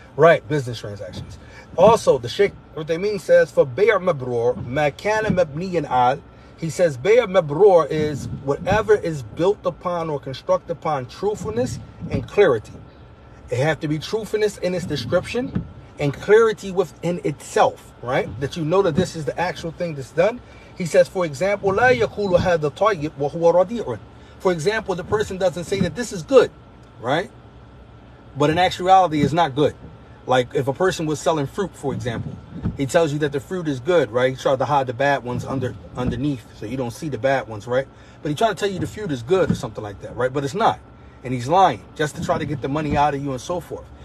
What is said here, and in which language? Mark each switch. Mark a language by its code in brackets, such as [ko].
[en] Right, business transactions. Also, the Sheikh, what they mean says, for [ar] bay'a mabrur, ma kana mabniyan al, [en] he says, bay'a mabrur is whatever is built upon or constructed upon truthfulness and clarity. It has to be truthfulness in its description and clarity within itself, right? That you know that this is the actual thing that's done. He says, for example, [ar] لا يقول هذا طيب وهو رديء. [en] For example, the person doesn't say that this is good, right? But in actuality, it's not good. Like if a person was selling fruit, for example, he tells you that the fruit is good, right? He tried to hide the bad ones underneath so you don't see the bad ones, right? But he tried to tell you the fruit is good or something like that, right? But it's not. And he's lying just to try to get the money out of you and so forth.